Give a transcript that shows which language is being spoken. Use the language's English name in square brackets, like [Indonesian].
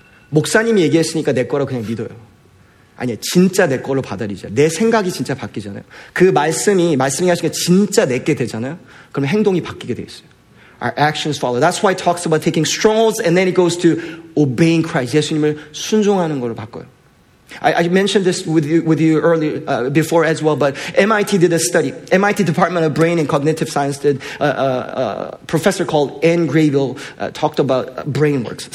[Korean] 목사님이 얘기했으니까 내 거라고 그냥 믿어요. 아니 진짜 내 걸로 받아들이죠. 내 생각이 진짜 바뀌잖아요. 그 말씀이 하시니까 진짜 내게 되잖아요. 그럼 행동이 바뀌게 돼 있어요. [English] Our actions follow. That's why it talks about taking strongholds and then it goes to obeying Christ. [Korean] 예수님을 순종하는 걸로 바꿔요. [English] I mentioned this with you earlier, before as well, but MIT did a study. MIT Department of Brain and Cognitive Science did, professor called Ann Graville talked about brain works.